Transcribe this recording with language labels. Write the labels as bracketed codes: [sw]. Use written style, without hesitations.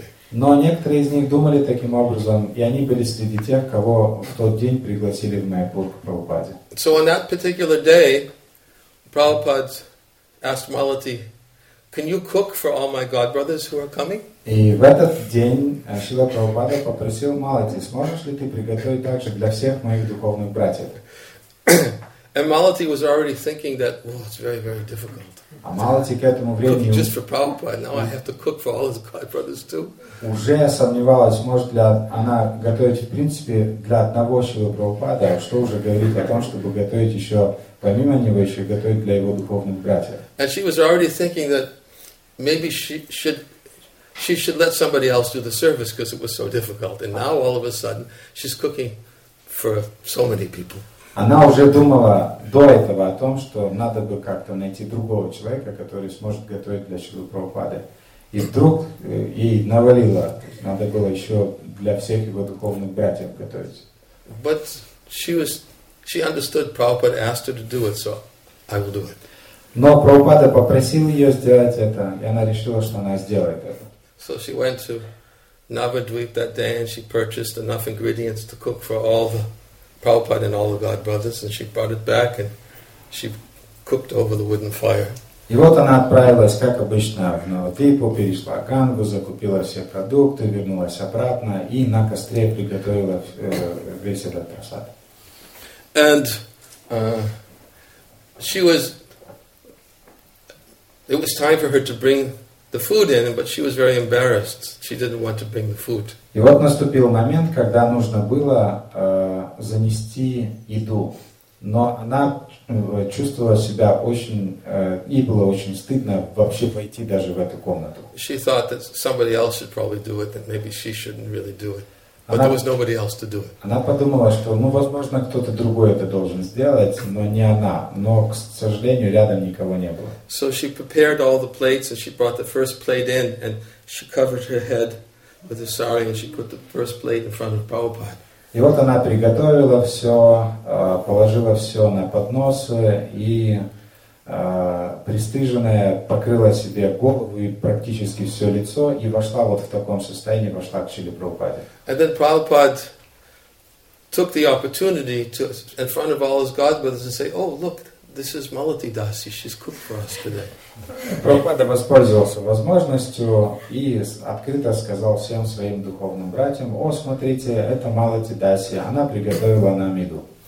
[ru] Но некоторые из них думали таким образом, и они были среди тех, кого в тот день пригласили в Майяпур к Прабхупаде. [en] So on that particular day, Prabhupada asked Malati, can you cook for all my god brothers who are coming? [ru] И в этот день Шрила Прабхупада попросил Малати, сможешь ли ты приготовить также для всех моих духовных братьев? [en] And Malati was already thinking that, well, it's very, very difficult. [ru] А Малати к этому времени [en] just for Prabhupada, now I have to cook for all his god brothers too. [ru] Уже сомневалась, может ли она готовить, в принципе, для одного Шрила Прабхупада, что уже говорит о том, чтобы готовить еще помимо него еще готовить для его духовных братьев. [en] And she was already thinking that maybe she should let somebody else do the service because it was so difficult. And now all of a sudden she's cooking for so many people. [ru] Она уже думала до этого о том, что надо бы как-то найти другого человека, который сможет готовить для Шрилы Прабхупады. И вдруг ей навалило, надо было еще для всех его духовных братьев готовить. [en] But she understood Prabhupada asked her to do it, so I will do it. [ru] Но Прабхупада попросил ее сделать это, и она решила, что она сделает это. [en] So she went to Navadvip that day and she purchased enough ingredients to cook for all the Prabhupada and all the god brothers, and she brought it back and she cooked over the wooden fire. [ru] И вот она отправилась, как обычно, в Навадвипу, перешла Гангу, закупила все продукты, вернулась обратно и на костре приготовила весь этот просад. [en] And she was, it was time for her to bring the food in, but she was very embarrassed. She didn't want to bring the food. [ru] И вот наступил момент, когда нужно было занести еду. Но она чувствовала себя очень, ей было очень стыдно вообще войти даже в эту комнату. [en] She thought that somebody else should probably do it, that maybe she shouldn't really do it. But there was nobody else to do it. [ru] Она подумала, что, ну, возможно, кто-то другой это должен сделать, но не она. Но, к сожалению, рядом никого не было. [en] So she prepared all the plates, and she brought the first plate in, and she covered her head with a sari, and she put the first plate in front of Prabhupada. [ru] И вот она приготовила все, положила все на подносы, и пристыженная покрыла себе голову и практически все лицо и вошла вот в таком состоянии, вошла к Шриле Прабхупаде. [en] And then Prabhupada took the opportunity to, in front of all his god brothers, and say, oh, look, this is Malati Dasi, she's cooked for us today. [ru] Прабхупада воспользовался возможностью и открыто сказал всем своим духовным братьям, о, смотрите, это Малати Даси, она приготовила нам еду.